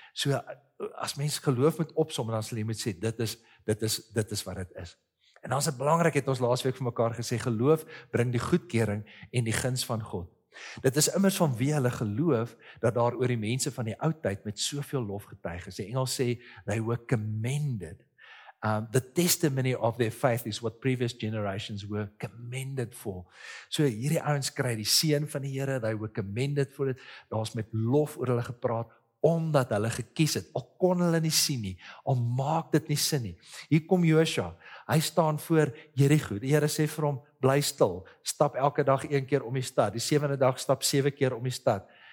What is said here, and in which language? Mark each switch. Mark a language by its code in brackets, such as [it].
[af] So as mens geloof moet opsom, dan sal jy moet sê dit is wat dit is. En dan is het belangrik, het ons laas week vir mekaar gesê, geloof bring die goedkeuring en die guns van God. Dit is immers vanweë hulle geloof dat daar oor die mense van die ou tyd met soveel lof getuig is. Die Engels sê, [en] they were commended. The testimony of their faith is what previous generations were commended for. [af] So hierdie ouens kry die seën van die Here, [en] they were commended for it. [af] Daar's met lof oor hulle gepraat, omdat hulle gekies het. Al kon hulle nie sien nie, al maak dit nie sin nie. Hier kom Joshua. Hy staan voor Jericho. Die Here sê vir hom, bly stil. Stap elke dag 1 keer om die stad. Die 7de dag stap 7 keer om die stad.